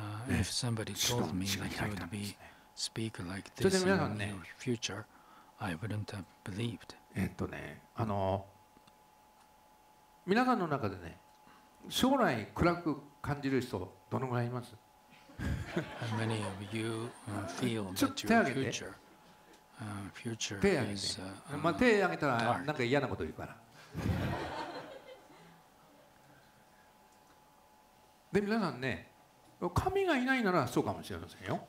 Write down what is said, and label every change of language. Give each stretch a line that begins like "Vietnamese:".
English: If somebody told me that you would be speak like this in your future,I wouldn't have believed.
Japanese: 皆さんの中でね、将来暗く感じる人どのぐらいいます？
English: How many of you feel that your future is
Japanese: まあ、手を挙げたらなんか嫌なこと言うから。で、皆さんね、神がいないならそうかもしれませんよ。